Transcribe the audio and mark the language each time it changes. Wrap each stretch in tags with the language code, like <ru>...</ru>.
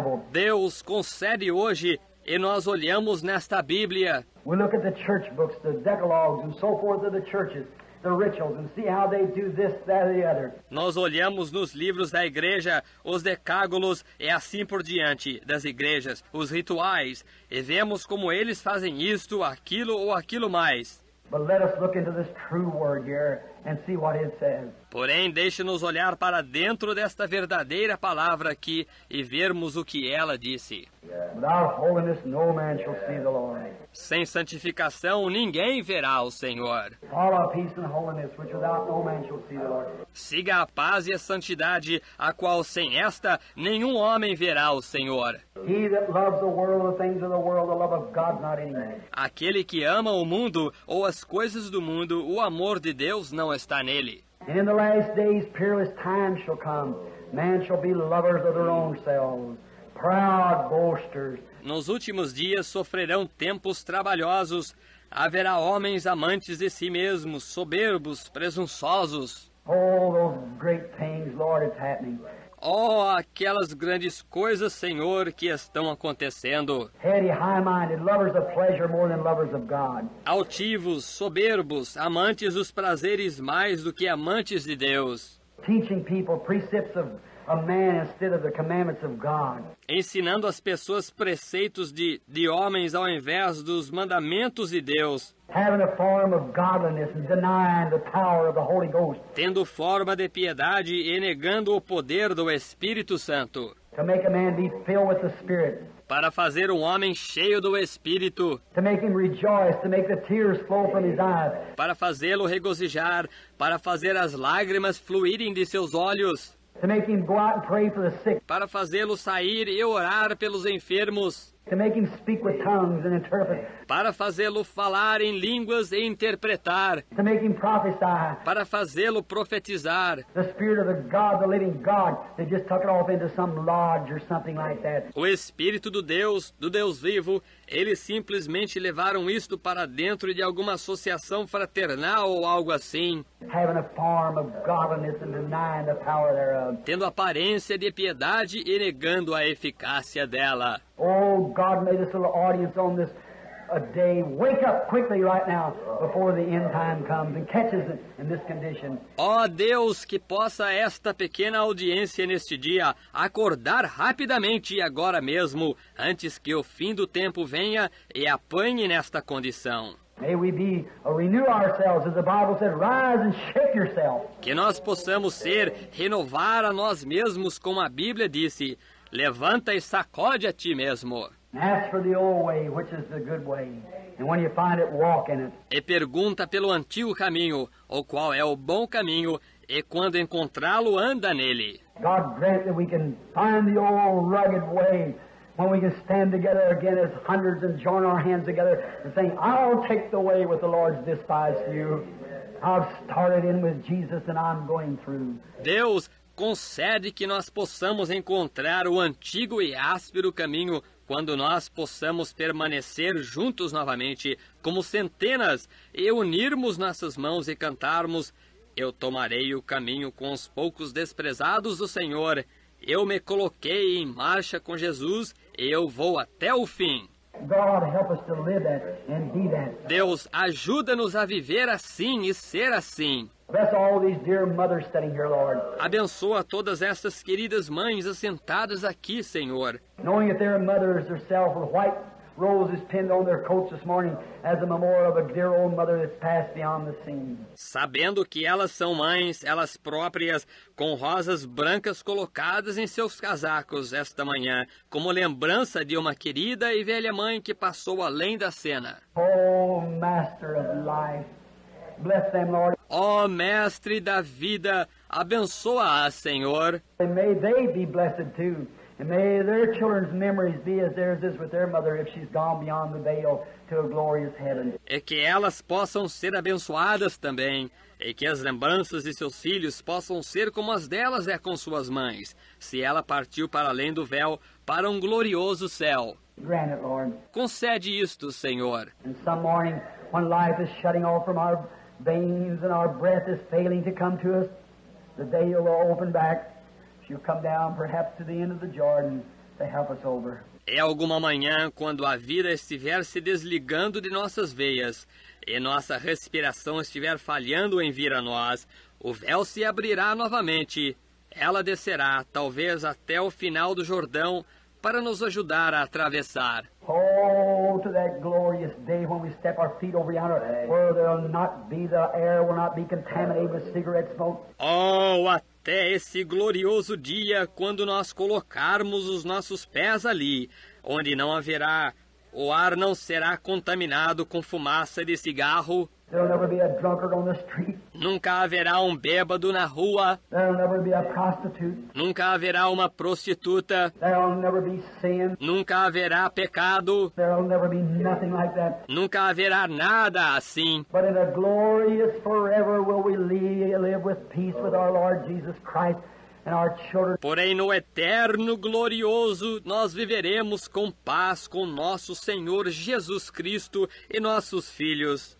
<pt>Deus concede hoje, e nós olhamos nesta Bíblia.</pt> <en>We look at the church books, the decalogues and so forth of the churches. The rituals and see how they do this, that, or the other.</en> <pt>Nós olhamos nos livros da igreja, os decágulos e assim por diante das igrejas, os rituais, e vemos como eles fazem isto, aquilo ou aquilo mais.</pt> <en>But let us look into this true word here and see what it says.</en> <pt>Porém, deixe-nos olhar para dentro desta verdadeira palavra aqui e vermos o que ela disse.</pt> <en>Without holiness, no man shall see the Lord.</en> <pt>Sem santificação, ninguém verá o Senhor.</pt> <en>Follow peace and holiness, which without no man shall see the Lord.</en> <pt>Siga a paz e a santidade, a qual sem esta, nenhum homem verá o Senhor.</pt> <en>He that loves the world, the things of the world, the love of God not in him.</en> <pt>Aquele que ama o mundo ou as coisas do mundo, o amor de Deus não está nele.</pt> <en>And in the last days, perilous times shall come. Man shall be lovers of their own selves, proud boasters.</en> <pt>Nos últimos dias sofrerão tempos trabalhosos. Haverá homens amantes de si mesmos, soberbos, presunçosos.</pt> <en>All those great things, Lord, it's happening.</en> <pt>Oh, aquelas grandes coisas, Senhor, que estão acontecendo.</pt> <en>Heady, high-minded, lovers of pleasure more than lovers of God.</en> <pt>Altivos, soberbos, amantes dos prazeres mais do que amantes de Deus.</pt> <en>Teaching people precepts of a man instead of the commandments of God.</en> <pt>Ensinando as pessoas preceitos de homens ao invés dos mandamentos de Deus.</pt> <en>Having a form of godliness and denying the power of the Holy Ghost.</en> <pt>Tendo forma de piedade e negando o poder do Espírito Santo.</pt> <en>To make a man be filled with the Spirit.</en> <pt>Para fazer um homem cheio do Espírito.</pt> <en>To make him rejoice, to make the tears flow from his eyes.</en> <pt>Para fazê-lo regozijar, para fazer as lágrimas fluírem de seus olhos.</pt> <en>To make him go out and pray for the sick.</en> <pt>Para fazê-lo sair e orar pelos enfermos.</pt> <en>To make him speak with tongues and interpret.</en> <pt>Para fazê-lo falar em línguas e interpretar.</pt> <en>To make him prophesy.</en> <pt>Para fazê-lo profetizar.</pt> <en>The spirit of the God, the living God, they just took it off into some lodge or something like that.</en> <pt>O Espírito do Deus vivo, eles simplesmente levaram isto para dentro de alguma associação fraternal ou algo assim.</pt> <en>Having a form of godliness and denying the power thereof.</en> <pt>Tendo aparência de piedade e negando a eficácia dela.</pt> <en>Oh, God made this little audience on this a day. Wake up quickly right now before the end time comes and catches it in this condition.</en> <pt>Oh, Deus, que possa esta pequena audiência neste dia acordar rapidamente agora mesmo, antes que o fim do tempo venha e apanhe nesta condição.</pt> <en>May we be a renew ourselves, as the Bible said, rise and shake yourself.</en> <pt>Que nós possamos ser renovar a nós mesmos, como a Bíblia disse, levanta e sacode a ti mesmo.</pt> <en>Ask for the old way, which is the good way, and when you find it, walk in it.</en> <pt>E pergunta pelo antigo caminho, o qual é o bom caminho, e quando encontrá-lo, anda nele.</pt> <en>God grant that we can find the old rugged way. When we can stand together again as hundreds and join our hands together and saying, I'll take the way with the Lord's despised few. I've started in with Jesus and I'm going through.</en> <pt>Deus concede que nós possamos encontrar o antigo e áspero caminho quando nós possamos permanecer juntos novamente como centenas e unirmos nossas mãos e cantarmos, eu tomarei o caminho com os poucos desprezados do Senhor. Eu me coloquei em marcha com Jesus e eu vou até o fim.</pt> <en>God, help us to live that and be that.</en> <pt>Deus, ajuda-nos a viver assim e ser assim.</pt> <en>Bless all these dear mothers standing here, Lord.</en> <pt>Abençoa todas essas queridas mães assentadas aqui, Senhor.</pt> <en>Knowing that their mothers herself with white roses pinned on their coats this morning as a memorial of a dear old mother that's passed beyond the scene.</en> <pt>Sabendo que elas são mães, elas próprias, com rosas brancas colocadas em seus casacos esta manhã, como lembrança de uma querida e velha mãe que passou além da cena.</pt> <en>Oh, Master of Life, bless them, Lord.</en> <pt>Oh, Mestre da Vida, abençoa-as, Senhor.</pt> <en>And may they be blessed too. And may their children's memories be as theirs is with their mother if she's gone beyond the veil to a glorious heaven.</en> <pt>E que elas possam ser abençoadas também, e que as lembranças de seus filhos possam ser como as delas é com suas mães, se ela partiu para além do véu, para um glorioso céu.</pt> <en>Grant it, Lord.</en> <pt>Concede isto, Senhor.</pt> <en>And some morning, when life is shutting off from our veins and our breath is failing to come to us, the veil will open back. You come down perhaps to the end of the Jordan to help us over.</en> <pt>É alguma manhã quando a vida estiver se desligando de nossas veias e nossa respiração estiver falhando em vir a nós, o véu se abrirá novamente. Ela descerá talvez até o final do Jordão para nos ajudar a atravessar.</pt> <en>Oh, to that glorious day when we step our feet over yonder, where there'll not be the air will not be contaminated with cigarette smoke.</en> <pt>Oh, até esse glorioso dia, quando nós colocarmos os nossos pés ali, onde não haverá, o ar não será contaminado com fumaça de cigarro.</pt> <en>There'll never be a drunkard on the street.</en> <pt>Nunca haverá um bêbado na rua.</pt> <en>There'll never be a prostitute.</en> <pt>Nunca haverá uma prostituta.</pt> <en>There'll never be sin.</en> <pt>Nunca haverá pecado.</pt> <en>There'll never be nothing like that.</en> <pt>Nunca haverá nada assim.</pt> <en>But in a glorious forever will we live with peace with our Lord Jesus Christ.</en> <pt>Porém, no eterno glorioso, nós viveremos com paz com nosso Senhor Jesus Cristo e nossos filhos.</pt>